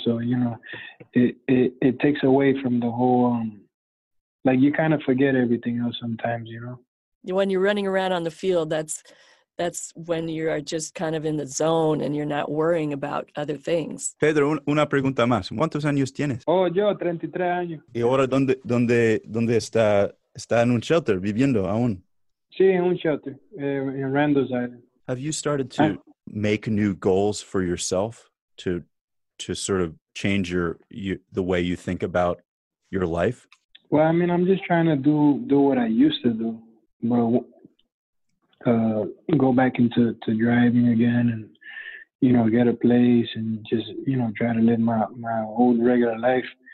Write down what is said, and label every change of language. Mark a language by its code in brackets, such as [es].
[en] So, you know, it takes away from the whole, like, you kind of forget everything else sometimes, you know? When you're running around on the field, that's when you are just kind of in the zone and you're not worrying about other things. [es] Pedro, una pregunta más. ¿Cuántos años tienes? Oh, yo, 33 años. ¿Y ahora dónde está en un shelter, viviendo aún? Sí, en un shelter, en Randall's Island. [en] Have you started to make new goals for yourself to sort of change the way you think about your life? Well, I mean, I'm just trying to do what I used to do, but go back into driving again and, you know, get a place and just, you know, try to live my old regular life.